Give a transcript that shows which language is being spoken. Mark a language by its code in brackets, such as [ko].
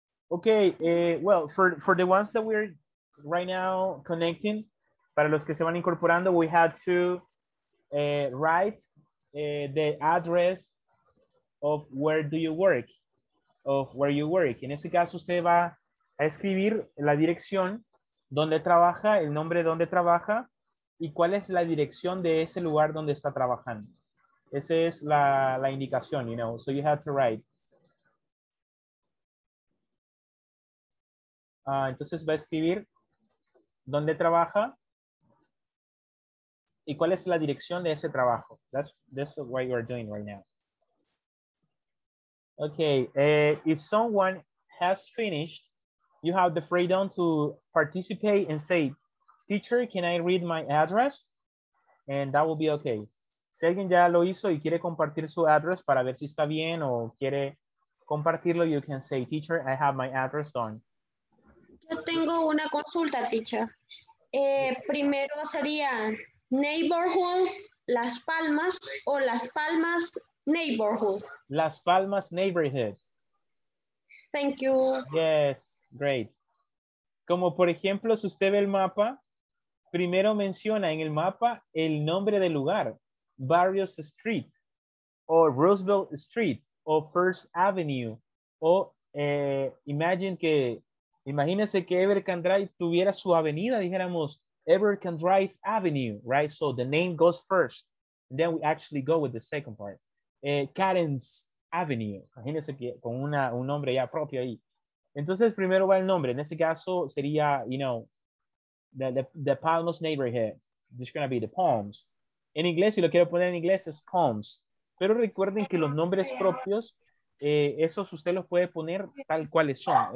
[en] Okay, well, for the ones that we're right now connecting, [es] para los que se van incorporando, [en] we had to write the address of where do you work, of where you work. [es] En este caso, usted va a escribir la dirección donde trabaja, el nombre donde trabaja, y cuál es la dirección de ese lugar donde está trabajando. Esa es la indicación, [en] you know. So you have to write. [es] Entonces va a escribir dónde trabaja y cuál es la dirección de ese trabajo. [en] That's what you are doing right now. Okay. If someone has finished, you have the freedom to participate and say, teacher, can I read my address? And that will be okay. [es] Si alguien ya lo hizo y quiere compartir su address para ver si está bien o quiere compartirlo, [en] you can say, teacher, I have my address done. [es] Yo tengo una consulta, teacher. Primero sería neighborhood, Las Palmas, o Las Palmas neighborhood. [en] Las Palmas neighborhood. Thank you. Yes, great. [es] Como por ejemplo, si usted ve el mapa, primero menciona en el mapa el nombre del lugar. Barrios Street, o Roosevelt Street, o First Avenue, o imagínese que Ever Can Drive tuviera su avenida, dijéramos Ever Can Drive Avenue, right? [en] So the name goes first, and then we actually go with the second part. [es] Karen's Avenue, imagínese que con un nombre ya propio ahí. Entonces primero va el nombre, en este caso sería, [en] you know, the Palms neighborhood, this is going to be the Palms. [es] En inglés, si lo quiero poner en inglés, es Palms. Pero recuerden que los nombres propios, esos usted los puede poner tal cuales son.